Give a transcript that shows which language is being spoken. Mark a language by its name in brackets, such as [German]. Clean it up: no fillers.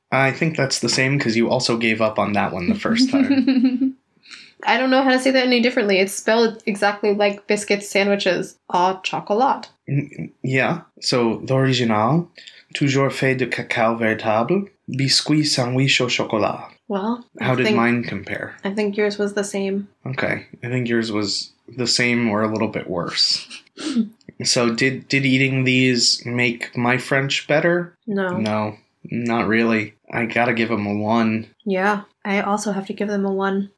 [English] I think that's the same because you also gave up on that one the first time. I don't know how to say that any differently. It's spelled exactly like biscuits, sandwiches, a chocolat. Yeah. [French] So, l'original, toujours fait de cacao véritable, biscuits, sandwich au chocolat. [English] Well, mine compare? I think yours was the same. Okay. I think yours was the same or a little bit worse. So did eating these make my French better? No. No, not really. I gotta give them a 1. Yeah, I also have to give them a 1.